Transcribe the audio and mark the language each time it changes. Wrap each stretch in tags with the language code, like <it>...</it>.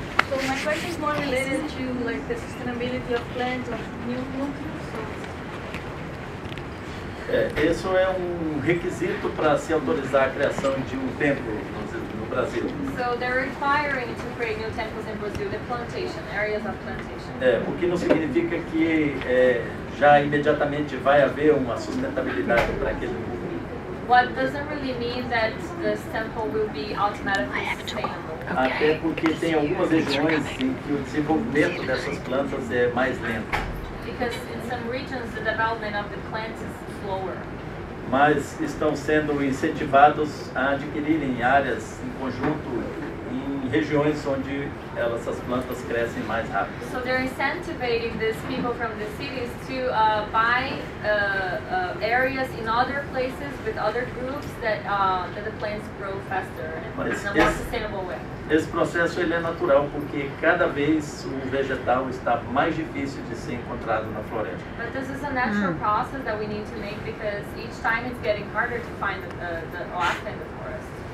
<en>So my question is more related to like the sustainability of plants or new nutrients.</en> <pt>Isso é um requisito para se autorizar a criação de um templo no Brasil.</pt> <en>So they're requiring to create new temples in Brazil, the plantation, areas of plantation.</en> <pt>O que não significa que já imediatamente vai haver uma sustentabilidade para aquele.</pt> <en>What doesn't really mean that this temple will be automatically sustainable.</en> <pt>Até porque tem algumas regiões em que o desenvolvimento dessas plantas é mais lento.</pt> <en>Because in some regions the development of the plants is slower.</en> <pt>Mas estão sendo incentivados a adquirirem áreas em conjunto em regiões onde essas plantas crescem mais rápido.</pt> <en>So they're incentivizing these people from the cities to buy areas in other places with other groups that the plants grow faster and in a more sustainable way.</en> <pt>Esse processo ele é natural porque cada vez o vegetal está mais difícil de ser encontrado na floresta.</pt> <en>But this is a natural process that we need to make because each time it's getting harder to find the oak in the forest.</en>